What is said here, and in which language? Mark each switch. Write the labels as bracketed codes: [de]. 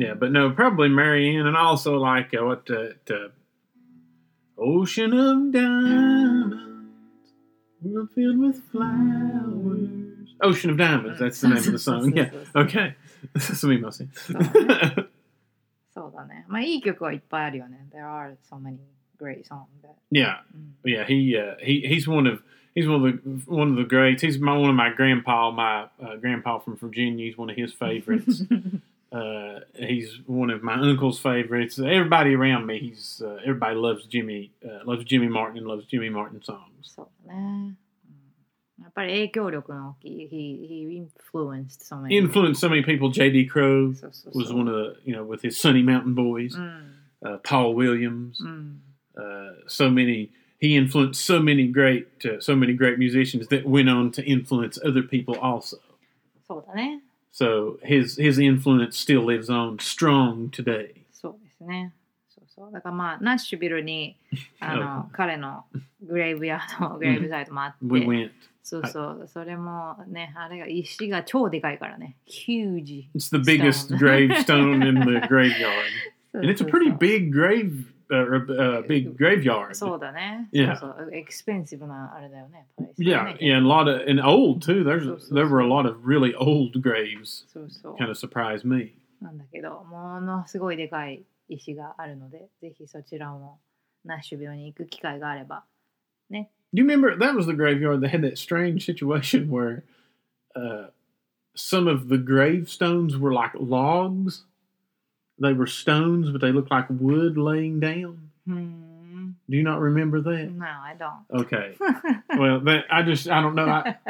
[en] Yeah, but no, probably Marianne, and also like what the ocean of diamonds, world filled with flowers. Ocean of diamonds, that's the name of the song. Yeah, okay. [ja] そみません。そうだね。まあいい曲はいっぱいあるよね。 [en] There are so many great songs. But, yeah, yeah. He's one of the greats. He's my, one of my grandpa. My grandpa from Virginia. He's one of his favorites. he's one of my uncle's favorites. Everybody around me, he's everybody loves Jimmy. Loves Jimmy Martin. And loves Jimmy Martin songs. [ja] そうね。やっぱり影響力の大きい。 [en] He influenced so many. Influenced so many people. J.D. Crow was one of the, you know, with his Sunny Mountain Boys. Paul Williams. So many. He influenced so many great musicians that went on to influence other people also. [ja] そうだね。 [en] So his influence still lives on strong today. [ja] そうですね。そうそう。だからまあ、ナッシュビルにあの、彼のグレイブヤード、グレイブサイトもあって。 [en] We went. [ja] そうそう。それもね、あれが石が超でかいからね。 [en] Huge. It's the biggest gravestone in the graveyard. [ja] そうそうそう。 [en] And it's a pretty big grave. Big graveyard. [ja] そうだね。 [en] Yeah. [ja] そうそう。Expensive なあれだよね。 [en] Yeah, yeah, and a lot of, and old too. There's, [ja] そうそうそう。 [en] There were a lot of really old graves. [ja] そうそう。 [en] Kind of surprised me. [ja] なんだけど、ものすごいでかい石があるので、ぜひそちらもナッシュビルに行く機会があればね。 [en] Do you remember, that was the graveyard that had that strange situation where some of the gravestones were like logs? They were stones, but they looked like wood laying down. Do you not remember that? No, I don't. Okay. Well, that, I don't know.